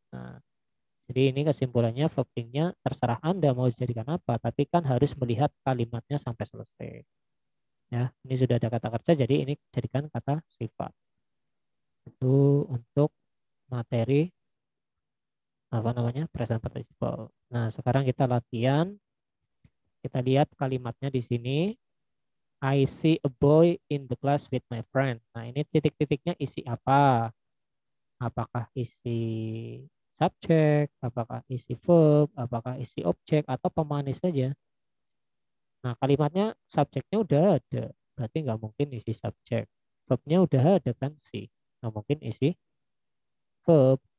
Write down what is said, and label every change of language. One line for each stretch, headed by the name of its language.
Indonesian: Nah, jadi ini kesimpulannya, voting-nya terserah Anda mau jadikan apa, tapi kan harus melihat kalimatnya sampai selesai. Ya, ini sudah ada kata kerja, jadi ini jadikan kata sifat. Itu untuk materi apa namanya? Present participle. Nah, sekarang kita latihan. Kita lihat kalimatnya di sini.
English: I see a boy in the class with my friend.
Indonesian: Nah, ini titik-titiknya isi apa? Apakah isi subjek, apakah isi verb, apakah isi objek, atau pemanis saja. Nah, kalimatnya subjeknya udah ada. Berarti nggak mungkin isi subjek. Verbnya udah ada kan sih. Nggak mungkin isi verb.